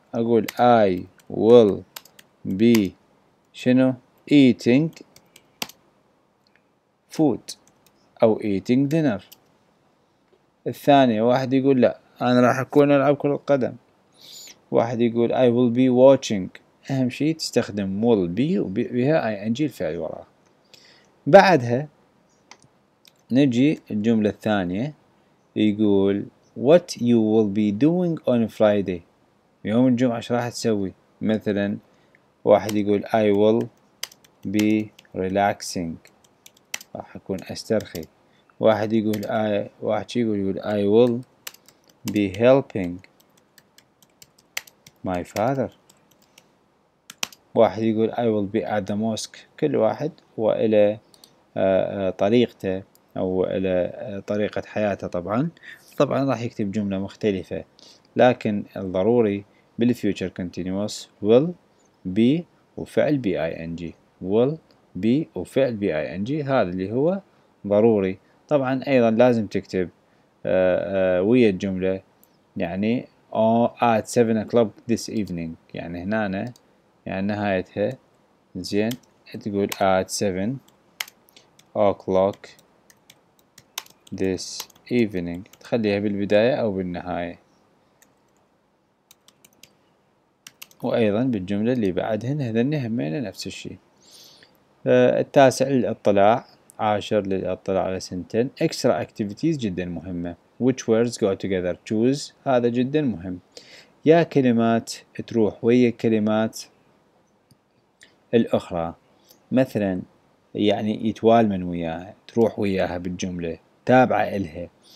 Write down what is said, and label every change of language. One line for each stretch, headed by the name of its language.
Arabic: أقول
English: I will be
Arabic: شنو
English: eating food
Arabic: أو
English: eating dinner.
Arabic: الثانية واحد يقول لا أنا راح أكون ألعب كرة القدم. واحد يقول
English: I will be watching.
Arabic: أهم شيء تستخدم will be وبها ing الفعل وراء. بعدها نجي الجملة الثانية يقول
English: what you will be doing on Friday
Arabic: يوم الجمعة ايش راح تسوي. مثلا واحد يقول
English: I will be relaxing
Arabic: راح أكون أسترخي. واحد يقول واحد يقول
English: I will be helping my father.
Arabic: واحد يقول
English: I will be at the mosque.
Arabic: كل واحد وإلى طريقته أو إلى طريقة حياته. طبعا راح يكتب جملة مختلفة لكن الضروري بالفيوتشر كونتينيوس will be وفعل be ing will be وفعل be ing هذا اللي هو ضروري. طبعا أيضا لازم تكتب ويا الجملة يعني
English: at 7 o'clock this evening
Arabic: يعني هنا أنا يعني نهايتها زين تقول at 7 o'clock this evening تخليها بالبداية أو بالنهاية. وأيضا بالجملة اللي بعدهن هذني همين نفس الشيء. التاسع للإطلاع، عاشر للإطلاع على سنتين.
English: Extra activities
Arabic: جدا مهمة.
English: Which words go together choose
Arabic: هذا جدا مهم. يا كلمات تروح ويا كلمات الأخرى مثلا يعني يتوالمن وياها تروح وياها بالجملة تابعة إلها.